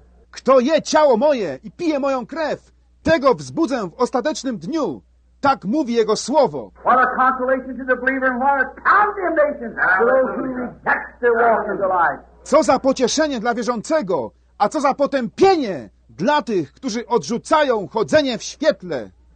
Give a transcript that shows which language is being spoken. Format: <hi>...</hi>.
<pl>Kto je ciało moje i pije moją krew, tego wzbudzę w ostatecznym dniu. Tak mówi jego słowo.</pl> <en>What a consolation to the believer and what a condemnation to those who reject the walk of the light.</en> <pl>Co za pocieszenie dla wierzącego, a co za potępienie dla tych, którzy odrzucają chodzenie w świetle.</pl>